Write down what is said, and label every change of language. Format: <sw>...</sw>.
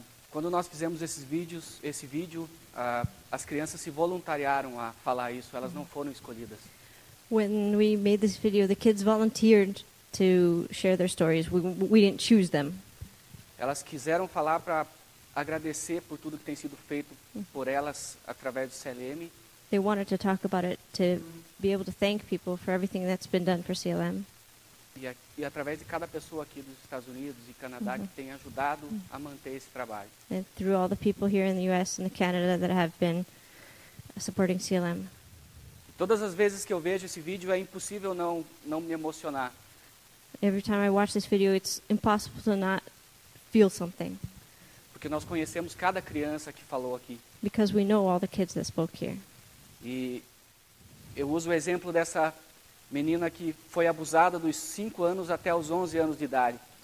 <pt>Quando nós fizemos esses vídeos, esse vídeo, as crianças se voluntariaram a falar isso, elas não foram escolhidas.</pt> <en>When we made this video, the kids volunteered to share their stories. We didn't choose them.</en> <pt>Elas quiseram falar para agradecer por tudo que tem sido feito por elas através do CLM.</pt> <en>They wanted to talk about it, to be able to thank people for everything that's been done for CLM.</en> <pt>E através de cada pessoa aqui dos Estados Unidos e Canadá que tem ajudado a manter esse trabalho.</pt> <en>And through all the people here in the US and the Canada that have been supporting CLM.</en> <pt>Todas as vezes que eu vejo esse vídeo é impossível não me emocionar.</pt> <en>Every time I watch this video, it's impossible to not feel something.</en> <pt>Porque nós conhecemos cada criança que falou aqui.</pt> <en>Because we know all the kids that spoke here.</en> <pt>E eu uso o exemplo dessa menina que foi abusada dos 5 anos até os 11 anos de idade.</pt>